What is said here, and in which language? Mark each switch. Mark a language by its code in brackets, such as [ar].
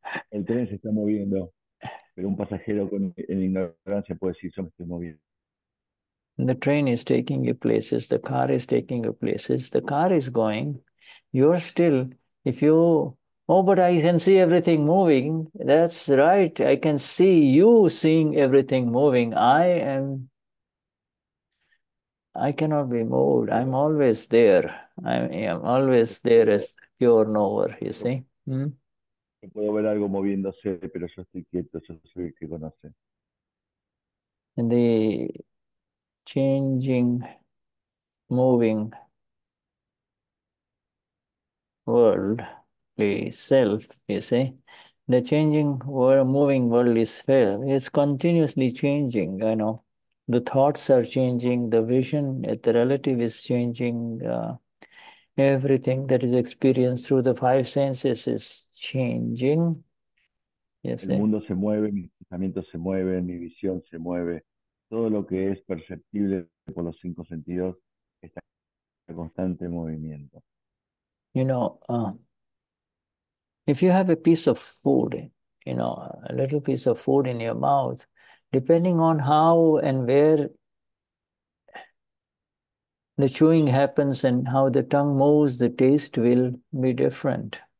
[es] El tren se está moviendo, pero un pasajero en ignorancia puede decir, yo me estoy moviendo. [en] The train is taking you places, the car is taking you places, the car is going, you're still. If you, oh, but I can see everything moving. That's right. I can see you seeing everything moving. I cannot be moved. I'm always there. I'm always there as pure knower, you see. [es] Yo puedo ver algo moviéndose, pero yo estoy quieto, yo soy el que conoce. [en] The changing, moving worldly self, you see, the changing world, moving world is fair. It's continuously changing, you know. The thoughts are changing, the vision, the relative is changing. Everything that is experienced through the five senses is changing, you see. [es] El mundo se mueve, mis pensamientos se mueven, mi visión se mueve. Todo lo que es perceptible por los cinco sentidos está en constante movimiento. [en] You know, if you have a piece of food, you know, a little piece of food in your mouth, depending on how and where the chewing happens and how the tongue moves, the taste will be different.